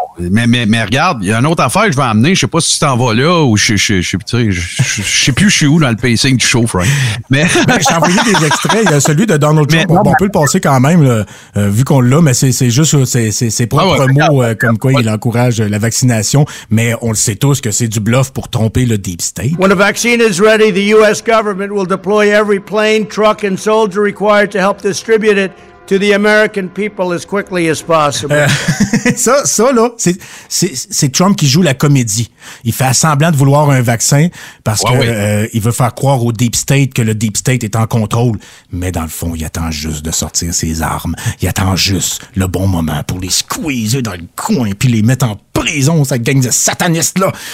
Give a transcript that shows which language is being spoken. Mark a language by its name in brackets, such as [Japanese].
[French] Mais regarde, il y a une autre affaire que je vais amener. Je ne sais pas si tu t'en vas là ou je sais plus où dans le pacing du show, Frank. Mais ben, j'ai envoyé des extraits. Il y a celui de Donald Trump. Non, on peut le passer quand même, là, vu qu'on l'a, mais c'est juste ses propres mots, comme quoi il encourage la vaccination. Mais on le sait tous que c'est du bluff pour tromper le Deep State. [English] When a vaccine is ready, the U.S. government will deploy every plane, truck and soldier required to help distribute it to the American people as quickly as possible. [French] C'est Trump qui joue la comédie. Il fait semblant de vouloir un vaccin parce qu'il veut faire croire au Deep State que le Deep State est en contrôle. Mais dans le fond, il attend juste de sortir ses armes. Il attend juste le bon moment pour les squeezer dans le coin puis les mettre en prison, cette gang de satanistes-là.